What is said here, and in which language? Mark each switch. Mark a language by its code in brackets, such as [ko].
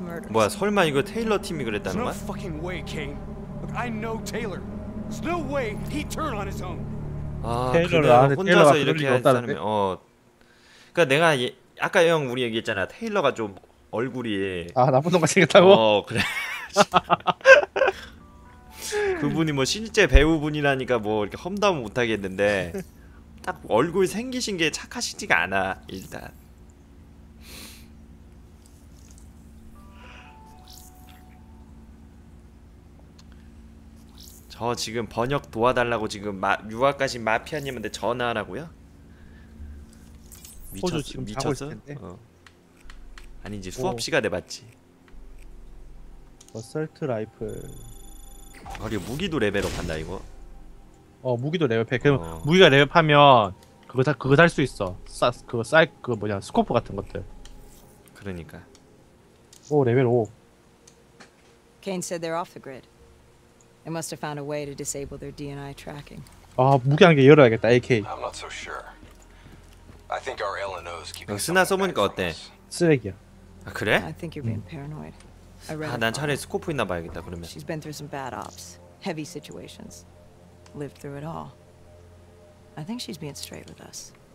[ko] 뭐야 설마 이거 테일러 팀이 그랬다는 거야? [en] There's no fucking way, Kane. Look, I know Taylor. There's no way he'd turn on his own. [ko] 아, 테일러가 혼자서 이렇게 했다는 거야? 어, 그러니까 내가 예, 아까 형 우리 얘기했잖아. 테일러가 좀 얼굴이 아 나쁜 놈 같겠다고? 어 그래. 그분이 뭐 실제 배우분이라니까 뭐 이렇게 험담 못 하겠는데 딱 얼굴 생기신 게 착하시지가 않아 일단. 저 지금 번역 도와달라고 지금 유학 가신 마피아님한테 전화하라고요? 미쳤어? 지금 미쳤어? 어. 아니 이제 수업 시간에 맞지. 어설트 라이플. 아니 무기도 레벨업 한다 이거. 어 무기도 레벨업해. 그럼 어. 무기가 레벨업하면 그거 살 수 있어. 그거 뭐냐 스코프 같은 것들. 그러니까. 오 레벨 5. [en] Kane said they're off the grid. They must have found a way to disable their DNI tracking. [ko] 아, 무기 한 개 열어야겠다. AK. [en] I'm not so sure. I think our LNO's keeping. [ko] 쓰나 써보니까 어때? 쓰레기야. 아 그래? [en] I think you're being paranoid. [ko] 아, 난 차라리 스코프 있나 봐야겠다 그러면. [en] She's been through some bad ops, heavy situations, lived through it all. I think she's being straight with us.